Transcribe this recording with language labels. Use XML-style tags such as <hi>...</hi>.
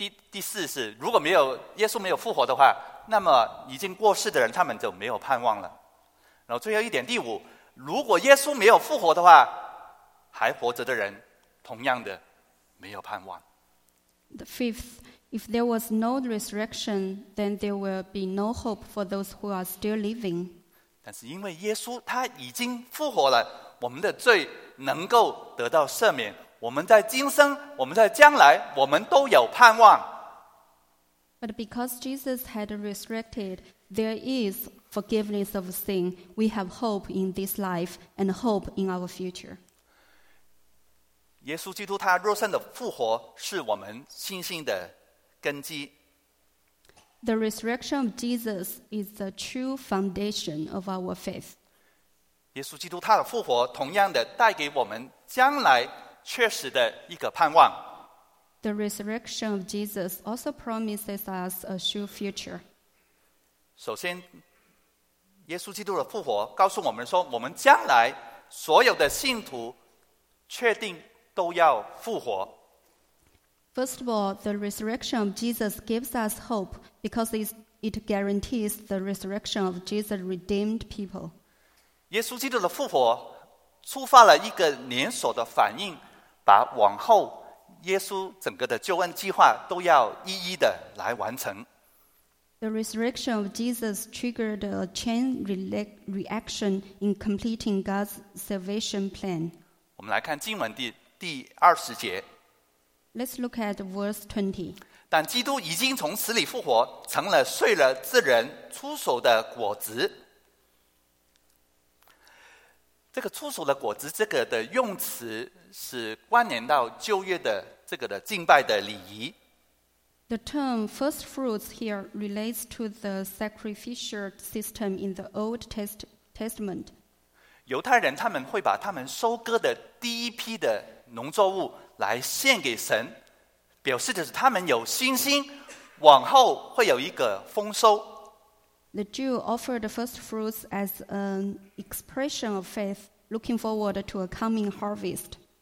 <zh>第四是，如果没有耶稣没有复活的话，那么已经过世的人他们就没有盼望了。然后最后一点，第五，如果耶稣没有复活的话，还活着的人同样的没有盼望。</zh> <en>The fifth, if there was no resurrection, then there will be no hope for those who are still living.</en> <zh>但是因为耶稣他已经复活了，我们的罪能够得到赦免，我们在今生，我们在将来，我们都有盼望。</zh> <en>But because Jesus had resurrected, there is forgiveness of sin. We have hope in this life and hope in our future.</en> <zh>耶稣基督他肉身的复活是我们信心的根基。</zh> <en>The resurrection of Jesus is the true foundation of our faith.</en> <zh>耶稣基督他的复活同样的带给我们将来确实的一个盼望。</zh> <en>The resurrection of Jesus also promises us a sure future.</en> <zh>首先，耶稣基督的复活告诉我们说，我们将来所有的信徒确定都要复活。</zh> <en>First of all, the resurrection of Jesus gives us hope because it guarantees the resurrection of Jesus' redeemed people.</en> <zh>耶稣基督的复活触发了一个连锁的反应，把往后耶稣整个的救恩计划都要一一的来完成。</zh> <en>The resurrection of Jesus triggered a chain reaction in completing God's salvation plan.</en> <zh>我们来看经文第二十节。</zh> <en>Let's look at verse 20.</en> <zh>但基督已经从死里复活，成了睡了之人出手的果子。这个出手的果子，这个的用词是关联到旧约的这个的敬拜的礼仪。</zh> <en>The term first fruits here relates to the sacrificial system in the Old Testament.</en> <zh>犹太人他们会把他们收割的第一批的农作物来献给神，表示的是他们有信心，往后会有一个丰收。</zh> <en>The Jew offered the first fruits as an expression of faith, looking forward to a coming harvest.</en>